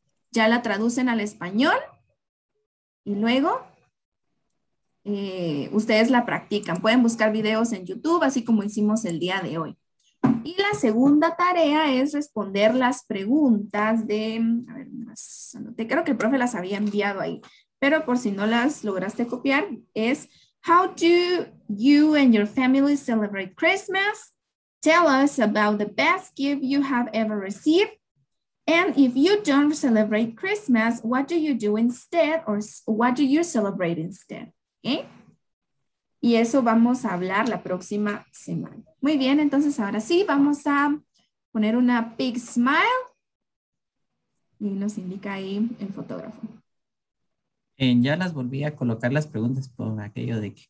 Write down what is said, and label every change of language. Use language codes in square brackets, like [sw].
[es] Ya la traducen al español y luego ustedes la practican. Pueden buscar videos en YouTube, así como hicimos el día de hoy. Y la segunda tarea es responder las preguntas de... A ver, más, anoté, creo que el profe las había enviado ahí. Pero por si no las lograste copiar, es... [en] How do you and your family celebrate Christmas? Tell us about the best gift you have ever received. And if you don't celebrate Christmas, what do you do instead? Or what do you celebrate instead? ¿Eh? [es] Y eso vamos a hablar la próxima semana. Muy bien, entonces ahora sí, vamos a poner una [en] big smile. [es] Y nos indica ahí el fotógrafo. Ya las volví a colocar las preguntas por aquello de que...